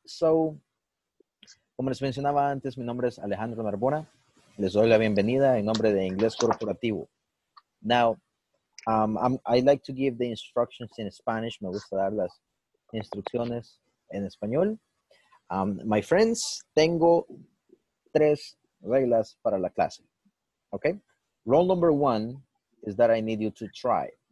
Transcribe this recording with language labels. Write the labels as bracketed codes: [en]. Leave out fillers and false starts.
[es] So, como les mencionaba antes, mi nombre es Alejandro Narbona. Les doy la bienvenida en nombre de Inglés Corporativo. [en] Now, I like to give the instructions in Spanish. [es] Me gusta dar las instrucciones en español. [en] My friends, [es] tengo tres reglas para la clase. [en] Okay? Rule number one is that I need you to try.